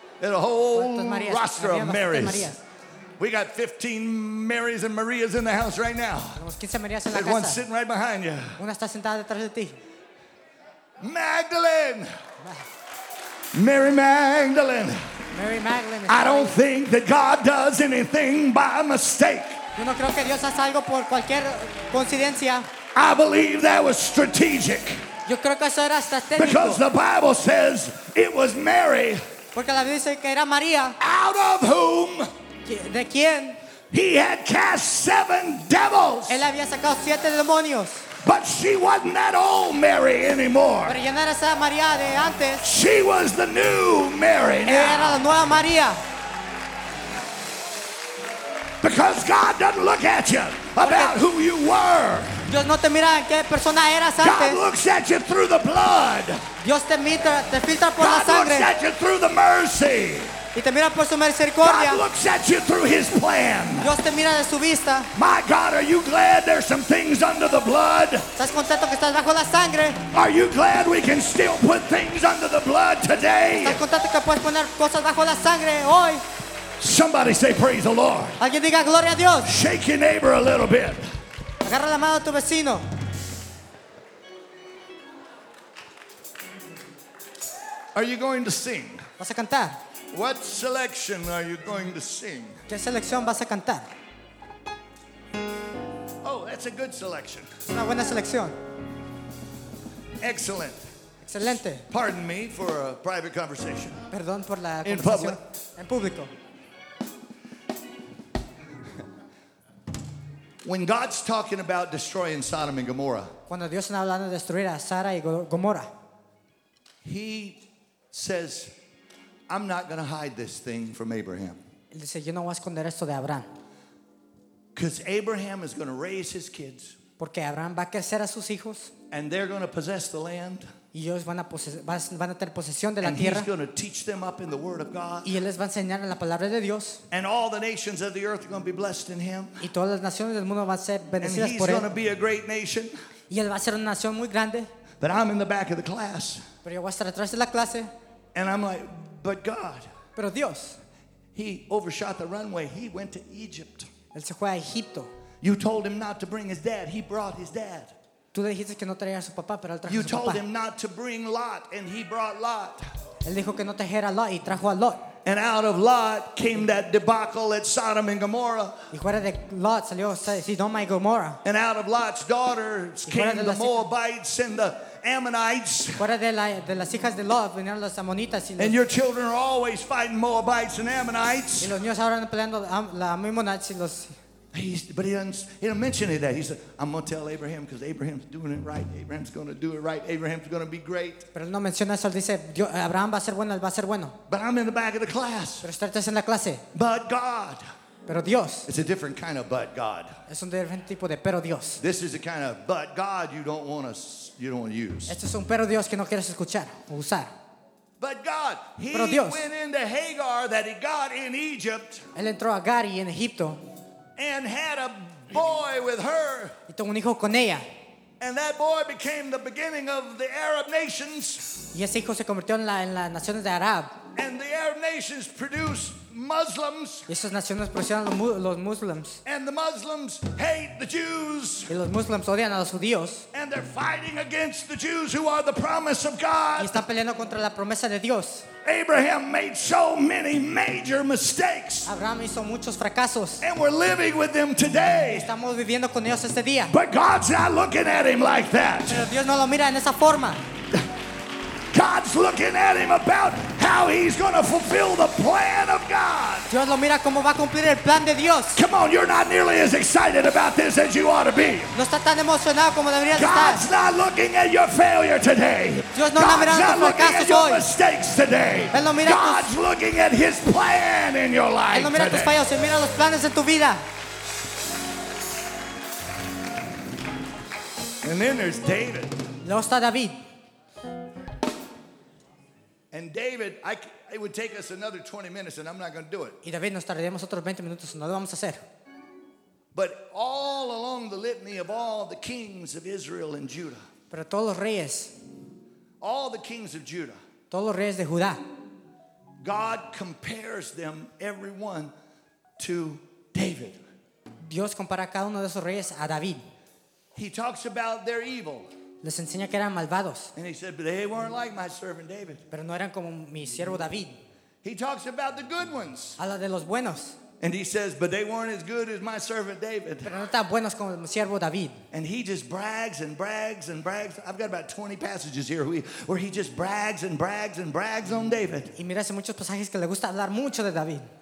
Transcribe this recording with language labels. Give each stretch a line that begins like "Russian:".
English: And a whole roster of Marys. We got 15 Marys and Marias in the house right now. There's one sitting right behind you.
Spanish: Una está sentada detrás de ti.
English: Magdalene. Mary Magdalene. Mary Magdalene. I don't think that God does anything by mistake.
Spanish: Yo no creo que Dios hace algo por cualquier coincidencia.
English: I believe that was strategic.
Spanish: Yo creo que eso era estratégico.
English: Because the Bible says it was Mary.
Spanish: Porque la Biblia dice que era María.
English: Out of whom?
Spanish: De quién?
English: He had cast 7 devils.
Spanish: Él había sacado 7 demonios.
English: But she wasn't that old Mary anymore.
Spanish: Pero ya no era esa María de antes.
English: She was the new Mary now.
Spanish: Ella era la nueva María.
English: Because God doesn't look at you about who you were.
Spanish: Dios no te mira en qué persona eras antes.
English: God looks at you through the blood.
Spanish: Dios te mira, te filtra por
English: God
Spanish: la sangre.
English: God looks at you through the mercy.
Spanish: Y te mira por su misericordia.
English: God looks at you through His plan.
Spanish: Dios te mira de su vista.
English: My God, are you glad there's some things under the blood?
Spanish: ¿Estás contento que estás bajo la sangre?
English: Are you glad we can still put things under the blood today?
Spanish: ¿Estás contento que puedes poner cosas bajo la sangre hoy?
English: Somebody say praise the Lord.
Spanish: Alguien diga gloria a Dios.
English: Shake your neighbor a little bit.
Spanish: Agarra la mano a tu vecino.
English: Are you going to sing?
Spanish: ¿Vas a cantar?
English: What selection are you going to sing?
Spanish: ¿Qué selección vas a cantar?
English: Oh, that's a good selection.
Spanish: Una buena selección.
English: Excellent.
Spanish: Excelente.
English: Pardon me for a private conversation.
Spanish: Perdón por la conversación.
English: In public.
Spanish: En público.
English: When God's talking about destroying Sodom and Gomorrah,
Spanish: cuando Dios está hablando de destruir a Sara y Gomorra,
English: He says, I'm not going to hide this thing from Abraham.
Spanish: Él dice, yo no voy a esconder esto de Abraham.
English: Because Abraham is going to raise his kids.
Spanish: Porque Abraham va a crecer a sus hijos.
English: And they're going to possess the land.
Spanish: Y ellos van a tener posesión de la tierra.
English: And he's going to teach them up in the word of God.
Spanish: Y él les va a enseñar en la palabra de Dios.
English: And all the nations of the earth are going to be blessed in him.
Spanish: Y todas las naciones del mundo van a ser bendecidas por él.
English: And he's going to be a great nation.
Spanish: Y él va a ser una nación muy grande.
English: But I'm in the back of the class.
Spanish: Pero yo voy a estar atrás de la clase.
English: And I'm like, but God.
Spanish: Pero Dios.
English: He overshot the runway. He went to Egypt.
Spanish: Él se fue a Egipto.
English: You told him not to bring his dad. He brought his dad.
Spanish: Tú le dijiste que no traía a su papá, pero él trajo
English: you
Spanish: a su papá.
English: You told him not to bring Lot, and he brought Lot.
Spanish: Él dijo que no trajera a Lot y trajo a Lot.
English: And out of Lot came that debacle at Sodom and Gomorrah.
Spanish: Y fuera de Lot salió Sodoma y Gomorra.
English: And out of Lot's daughters came the Moabites and the Ammonites.
Spanish: Fuera de las hijas de Lot vinieron los Amonitas.
English: And your children are always fighting Moabites and Ammonites.
Spanish: Y los niños ahora están peleando la Ammonites y los.
English: But he doesn't mention any of that. He said, I'm going to tell Abraham because Abraham's doing it right. Abraham's going to do it right. Abraham's going to be great.
Spanish: Pero no menciona eso. Dice, Abraham va a ser bueno. Él va a ser bueno.
English: But I'm in the back of the class.
Spanish: Pero estás en la clase.
English: But God.
Spanish: Pero Dios.
English: It's a different kind of but God.
Spanish: Es un diferente tipo de pero Dios.
English: This is the kind of but God you don't want to use.
Spanish: Este es un pero Dios que no quieres escuchar o usar.
English: But God, he
Spanish: pero Dios.
English: Went into Hagar that he got in Egypt.
Spanish: Él entró a Gari en Egipto.
English: And had a boy with her.
Spanish: Y tuvo un hijo con ella.
English: And that boy became the beginning of the Arab nations.
Spanish: Y ese hijo se convirtió en las naciones de Arab.
English: And the Arab nations produced Muslims.
Spanish: Y esas naciones producían los Muslims.
English: And the Muslims hate the Jews.
Spanish: Y los Muslims odian a los judíos.
English: And they're fighting against the Jews who are the promise of God.
Spanish: Y están peleando contra la promesa de Dios.
English: Abraham made so many major mistakes.
Spanish: Abraham hizo muchos fracasos.
English: And we're living with them today.
Spanish: Estamos viviendo con ellos este día.
English: But God's not looking at him like that.
Spanish: Pero Dios no lo mira en esa forma.
English: God's looking at him about how he's going to fulfill the plan of God.
Spanish: Dios lo mira cómo va a cumplir el plan de Dios.
English: Come on, you're not nearly as excited about this as you ought to be.
Spanish: No está tan emocionado como deberías estar.
English: God's not looking at your failure today.
Spanish: Dios no está mirando tus fracasos
English: God's not looking at your mistakes today.
Spanish: Él no mira tus fracasos.
English: God's looking at his plan in your life.
Spanish: Él no mira tus fallos, él mira los planes de tu vida.
English: And then there's David.
Spanish: Luego está David.
English: And David, it would take us another 20 minutes, and I'm not going to do it.
Spanish: Y David, nos tardaríamos otros 20 minutos, no lo vamos a hacer.
English: But all along the litany of all the kings of Israel and Judah.
Spanish: Pero todos los reyes.
English: All the kings of Judah.
Spanish: Todos los reyes de Judá.
English: God compares them, everyone, to David.
Spanish: Dios compara a cada uno de esos reyes a David.
English: He talks about their evil.
Spanish: Les enseña que eran malvados.
English: And he said, but they weren't like my servant David.
Spanish: Pero no eran como mi siervo David.
English: He talks about the good ones.
Spanish: Habla de los buenos.
English: And he says, but they weren't as good as my servant David.
Spanish: Pero no tan buenos como mi siervo David.
English: And he just brags and brags and brags. I've got about 20 passages here where he just brags and brags and brags on David.
Spanish: Y mira, hace muchos pasajes que le gusta hablar mucho de David.